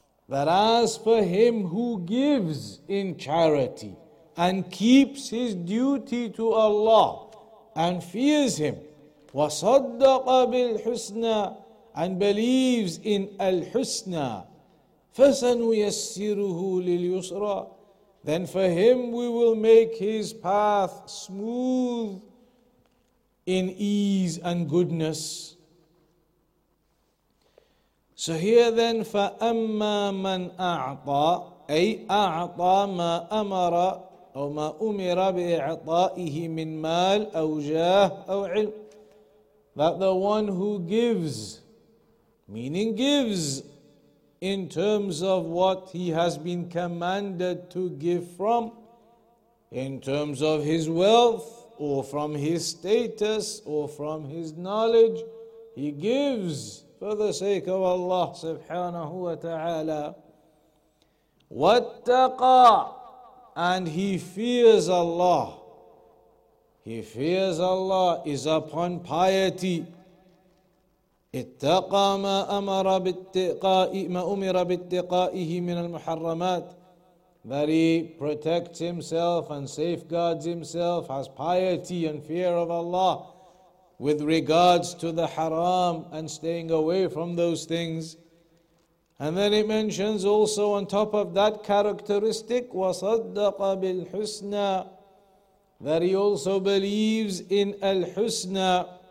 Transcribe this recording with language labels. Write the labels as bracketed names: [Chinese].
[English] That as for him who gives in charity and keeps his duty to Allah and fears him, [Arabic] وَصَدَّقَ بِالْحُسْنَى, [English] and believes in الْحُسْنَى, [Arabic] فَسَنُيَسِّرُهُ لِلْيُسْرَى. [English] Then for him we will make his path smooth in ease and goodness. So here then, [Arabic] فَأَمَّا مَنْ أَعْطَى, أي أَعْطَى مَا أَمَرَ أو مَا أُمِرَ بِإِعْطَائِهِ مِنْ مَالٍ أَوْ جَاهٍ أَوْ عِلْمٍ. [English] That the one who gives, meaning gives, in terms of what he has been commanded to give from, in terms of his wealth, or from his status, or from his knowledge, he gives for the sake of Allah subhanahu wa ta'ala. وَاتَّقَى, and he fears Allah. He fears Allah, is upon piety. [Arabic] اتقى ما أمر بالتقاء ما أمر بالتقائه من المحرمات. [English] That he protects himself and safeguards himself, has piety and fear of Allah with regards to the haram and staying away from those things. And then it mentions also on top of that characteristic, [Arabic] وصدق بالحسنى, [English] that he also believes in الحسنى.